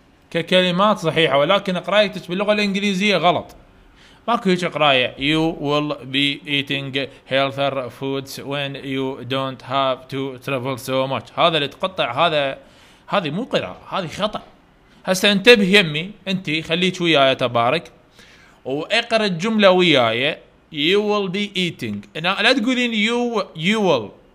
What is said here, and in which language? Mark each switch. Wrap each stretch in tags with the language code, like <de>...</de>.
<ar>ككلمات صحيحة ولكن قرايتك باللغة الإنجليزية غلط. ماكو هيك قراية.</ar> <en>You will be eating healthier foods when you don't have to travel so much.</en> <ar>هذا اللي تقطع، هذا هذه مو قراءة، هذه خطأ. هسا انتبه يمي، انت خليك وياي تبارك واقرا الجملة وياي.</ar> <en>You will be eating.</en> <ar>لا تقولين</ar> <en>you will.</en>